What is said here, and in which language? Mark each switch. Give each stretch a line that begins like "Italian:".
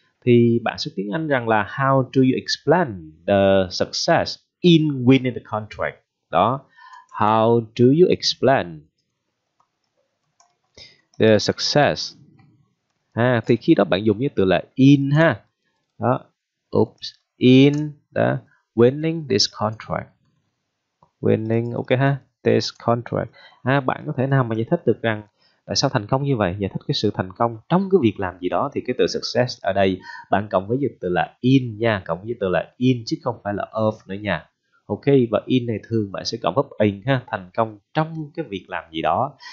Vietnamese: Thì bạn sẽ tiếng Anh rằng là
English: how do you explain the success in winning the contract đó. How do you explain the success,
Vietnamese: à thì khi đó bạn dùng với từ là in ha.
English: Đó, oops, in the winning this contract, winning, ok ha, this contract.
Vietnamese: À, bạn có thể nào mà giải thích được rằng tại sao thành công như vậy, giải thích cái sự thành công trong cái việc làm gì đó. Thì cái từ success ở đây bạn cộng với từ là in nha, cộng với từ là in chứ không phải là of nữa nha. Ok, và in này thường bạn sẽ cộng verb in ha, thành công trong cái việc làm gì đó.